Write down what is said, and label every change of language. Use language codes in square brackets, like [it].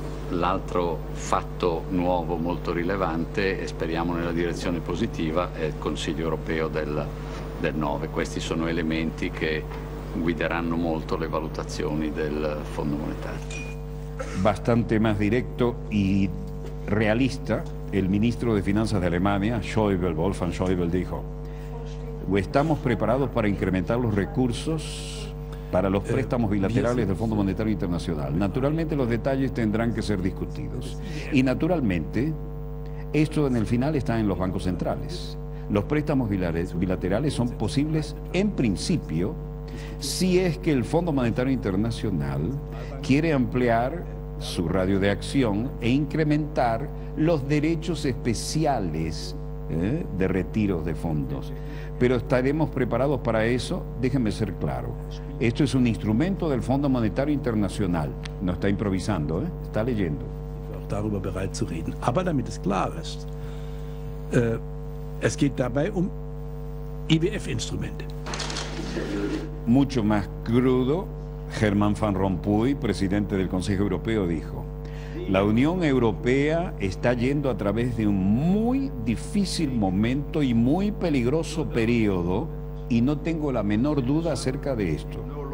[it] L'altro fatto nuovo molto rilevante, e speriamo nella direzione positiva, è il Consiglio europeo del 9. Questi sono elementi che guideranno molto le valutazioni del Fondo monetario. [es] Bastante más directo y realista, el ministro de Finanzas de Alemania, Schäuble, Wolfgang Schäuble, dijo: ¿o estamos preparados para incrementar los recursos para los préstamos bilaterales del Fondo Monetario Internacional? Naturalmente los detalles tendrán que ser discutidos. Y naturalmente, esto en el final está en los bancos centrales. Los préstamos bilaterales son posibles en principio si es que el Fondo Monetario Internacional quiere ampliar su radio de acción e incrementar los derechos especiales de retiro de fondos. Pero estaremos preparados para eso, déjenme ser claro. Esto es un instrumento del Fondo Monetario Internacional. No está improvisando, ¿eh? Está leyendo. [de] Darüber bereit zu reden. Aber damit es klar ist, es geht dabei IWF-Instrumente. [es] Mucho más crudo, Germán Van Rompuy, presidente del Consejo Europeo, dijo: la Unión Europea está yendo a través de un muy difícil momento y muy peligroso periodo, y no tengo la menor duda acerca de esto.